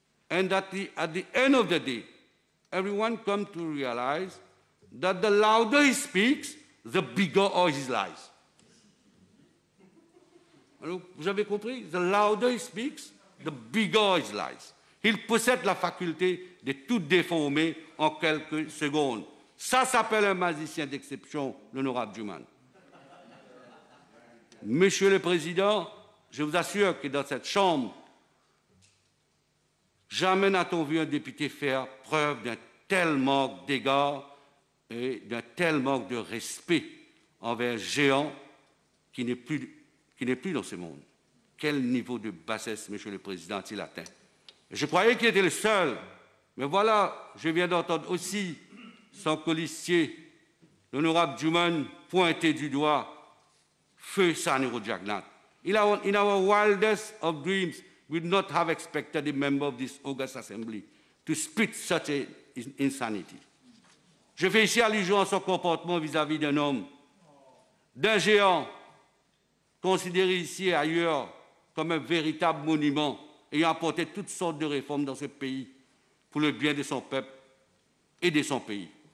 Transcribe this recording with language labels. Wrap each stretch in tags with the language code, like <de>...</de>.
<en>And that at the end of the day, everyone comes to realize that the louder he speaks, the bigger are his lies.</en> <fr>Alors, vous avez compris?</fr> <en>The louder he speaks, the bigger are his lies.</en> <fr>Il possède la faculté de tout déformer en quelques secondes. Ça s'appelle un magicien d'exception, l'honorable Juman. Monsieur le Président, je vous assure que dans cette chambre, jamais n'a-t-on vu un député faire preuve d'un tel manque d'égard et d'un tel manque de respect envers un géant qui n'est plus dans ce monde. Quel niveau de bassesse, Monsieur le Président, a-t-il atteint? Je croyais qu'il était le seul Mais voilà, je viens d'entendre aussi son colistier, l'honorable Juman, pointer du doigt feu Sanuro Jagannath.</fr> <en>In our wildest of dreams, we would not have expected a member of this August Assembly to spit such an insanity.</en> <fr>Je fais ici allusion à son comportement vis-à-vis d'un homme, d'un géant, considéré ici et ailleurs comme un véritable monument ayant apporté toutes sortes de réformes dans ce pays pour le bien de son peuple et de son pays.</fr>